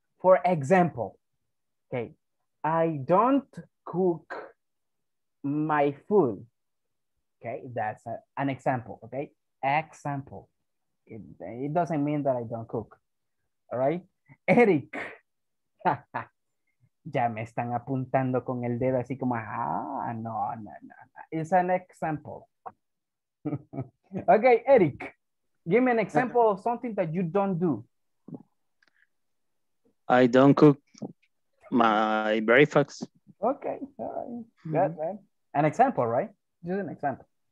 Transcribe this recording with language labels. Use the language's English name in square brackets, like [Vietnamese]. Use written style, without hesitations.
[English] For example, okay, I don't cook my food. Okay, that's an example, okay? Example. It doesn't mean that I don't cook, all right? Eric, [Spanish] Ya me están apuntando con el dedo así como, ah, no, no, no, no. [English] It's an example. Okay, Eric, give me an example of something that you don't do. I don't cook my breakfast. Okay, all right. Good, man. An example, right? Just an example.